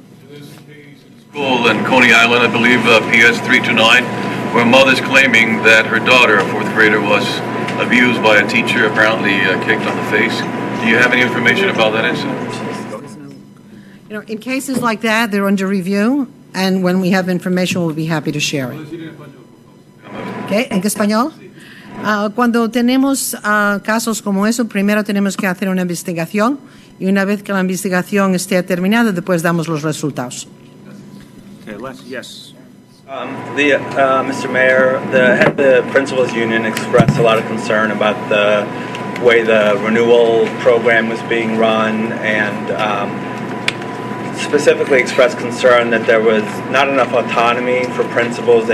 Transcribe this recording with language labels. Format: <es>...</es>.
<en>School in Coney Island, I believe, PS 329, where a mother's claiming that her daughter, a fourth grader, was abused by a teacher, apparently kicked on the face. Do you have any information about that incident? You know, in cases like that, they're under review, and when we have information, we'll be happy to share it.</en> <es>Okay, en español. Cuando tenemos casos como eso, primero tenemos que hacer una investigación. Y una vez que la investigación esté terminada, después damos los resultados.</es> <en>Okay, Les, yes. Mr. Mayor, the head of the principals union expressed a lot of concern about the way the renewal program was being run, and specifically expressed concern that there was not enough autonomy for principals.</en>